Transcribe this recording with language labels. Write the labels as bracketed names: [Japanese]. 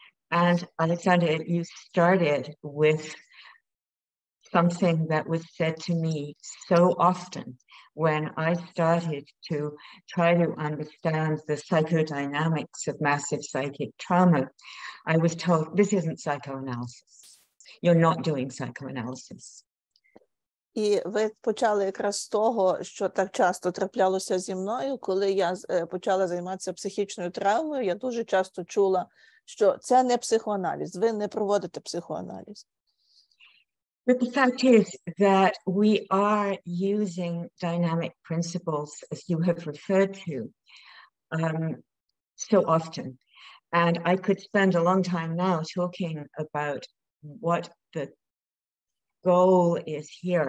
[English] And Alexander, you started with something that was said to me so often. When I started to try to understand the psychodynamics of massive psychic trauma, I was told, this isn't psychoanalysis. You're not doing psychoanalysis. [Ukrainian] І ви почали якраз з того, що так часто траплялося зі мною, коли я почала займатися психічною травмою, я дуже часто чула, що це не психоаналіз, ви не проводите психоаналіз. [English] But the fact is that we are using dynamic principles, as you have referred to, so often. And I could spend a long time now talking about what the goal is here.